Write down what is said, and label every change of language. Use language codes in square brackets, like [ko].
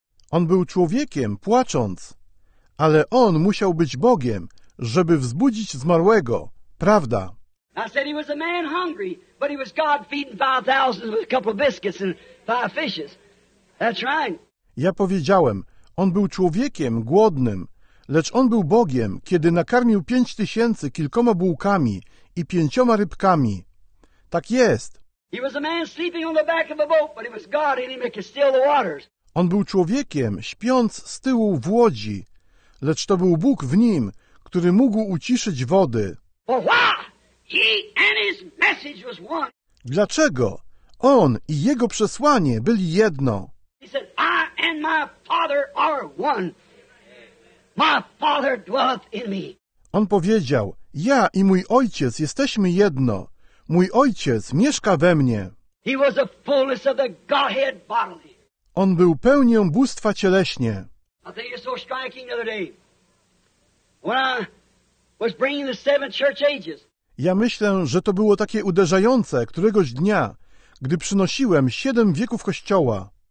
[pl] On był człowiekiem, płacząc, ale on musiał być Bogiem, żeby wzbudzić zmarłego. Prawda. [en] I said he was a man hungry, but he was God feeding 5,000 with a couple of biscuits and 5 fishes. That's right. [pl] Ja powiedziałem, on był człowiekiem głodnym, lecz on był Bogiem, kiedy nakarmił 5,000 kilkoma bułkami i 5 rybkami. Tak jest. [en] He was a man sleeping on the back of a boat, but he was God in him that could still the waters. [pl] On był człowiekiem śpiąc z tyłu w łodzi, lecz to był Bóg w nim, który mógł uciszyć wody. [en] He and his message was one. [pl] Dlaczego? On i jego przesłanie byli jedno. [en] He said, I and my Father are one. My Father dwelleth in me. [pl] On powiedział, ja i mój Ojciec jesteśmy jedno. Mój Ojciec mieszka we mnie. [en] He was the fullness of the Godhead bodily. [pl] On był pełnią bóstwa cieleśnie. [en] I think it's so striking the other day. When I was bringing the seven church ages. [pl] Ja myślę, że to było takie uderzające któregoś dnia, gdy przynosiłem 7 wieków Kościoła.